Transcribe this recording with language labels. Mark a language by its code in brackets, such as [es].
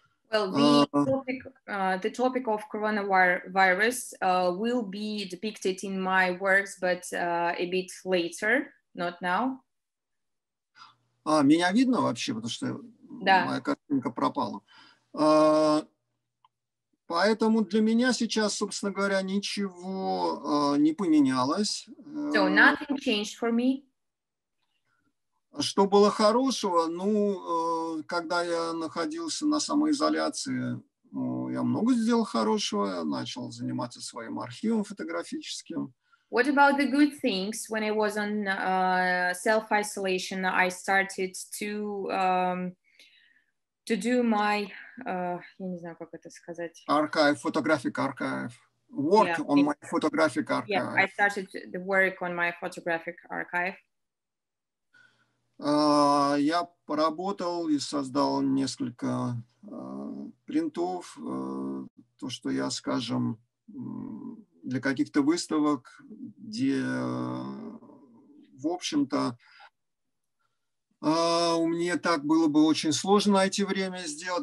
[en] Well, the topic of coronavirus will be depicted in my works, but a bit later, not now. [ru] А, меня видно вообще, потому что да. Моя картинка пропала. Поэтому для меня сейчас, собственно говоря, ничего не поменялось. [en] So nothing changed for me. [ru] Что было хорошего? Ну, когда я находился на самоизоляции, ну, я много сделал хорошего. Я начал заниматься своим архивом фотографическим. [en] What about the good things? When I was on self-isolation, I started to do my, [ru] я не знаю, как это сказать. [en] Archive, photographic archive. Work on my photographic archive. Yeah, I started the work on my photographic archive. [ru] Я поработал и создал несколько принтов, то, что я, скажем, для каких-то выставок, где, в общем-то, мне так было бы очень сложно найти время сделать.